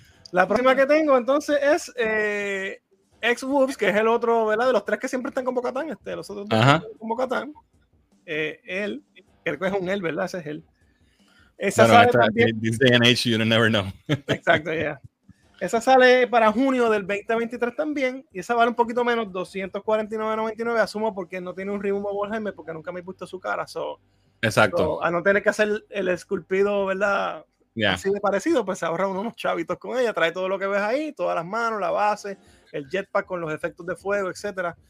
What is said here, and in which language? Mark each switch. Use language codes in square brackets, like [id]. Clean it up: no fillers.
[es] La próxima que tengo entonces es X-Wolves, que es el otro, ¿verdad? De los tres que siempre están con Bo-Katan, los otros dos con Bo-Katan, él, creo que es un él, ¿verdad? Ese es él. [en] Esa no, this day and age, you don't never know. [es] Exacto, ya. Yeah. Esa sale para junio del 2023 también, y esa vale un poquito menos, $249.99, asumo porque no tiene un removable helmet, porque nunca me he puesto su cara, exacto. A no tener que hacer el esculpido, ¿verdad? [en] Yeah. [es] Así de parecido, pues se ahorra unos chavitos con ella, trae todo lo que ves ahí, todas las manos, la base, el jetpack con los efectos de fuego, etcétera.